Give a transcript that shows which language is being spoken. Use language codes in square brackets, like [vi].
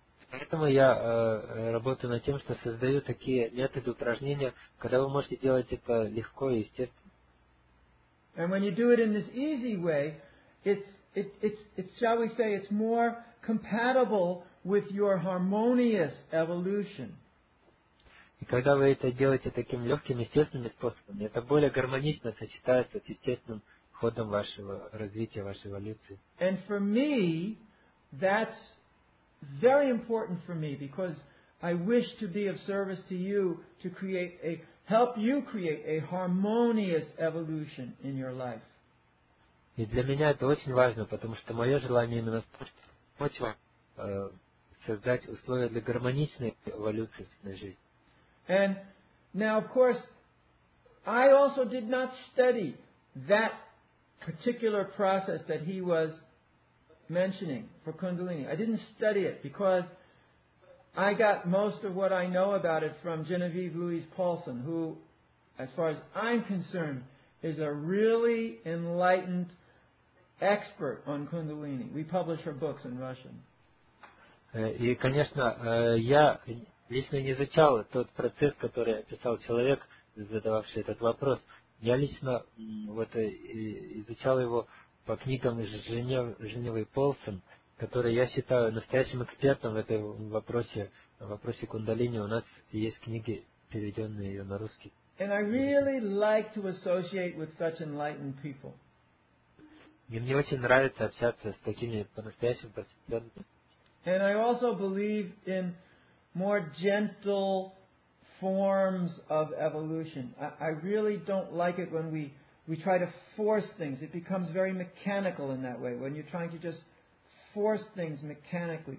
[ru] Поэтому я работаю над тем, что создаю такие методы упражнения, когда вы можете делать это легко и естественно. [en] And when you do it in this easy way, it's shall we say, it's more compatible with your harmonious evolution. [ru] И когда вы это делаете таким легким, естественным способом, это более гармонично сочетается с естественным ходом вашего развития, вашей эволюции. [en] And for me, that's very important for me because I wish to be of service to you to create a help you create a harmonious evolution in your life. [ru] И для меня это очень важно, потому что мое желание именно помочь вам создать условия для гармоничной эволюции собственной жизни. [en] And now, of course, I also did not study that particular process that he was mentioning for Kundalini. I didn't study it because I got most of what I know about it from Genevieve Louise Paulson, who, as far as I'm concerned, is a really enlightened expert on Kundalini. We publish her books in Russian. [ru] И, конечно, я лично не изучал тот процесс, который описал человек, задававший этот вопрос. Я лично вот изучал его по книгам Женевы Полсон, которая, я считаю, настоящим экспертом в этом вопросе, в вопросе кундалини. У нас есть книги, переведенные ее на русский. [en] And I really like to associate with such enlightened people. [ru] И мне очень нравится общаться с такими по-настоящему просветленными. [en] And I also believe in more gentle forms of evolution. I really don't like it when we try to force things. It becomes very mechanical in that way, when you're trying to just force things mechanically.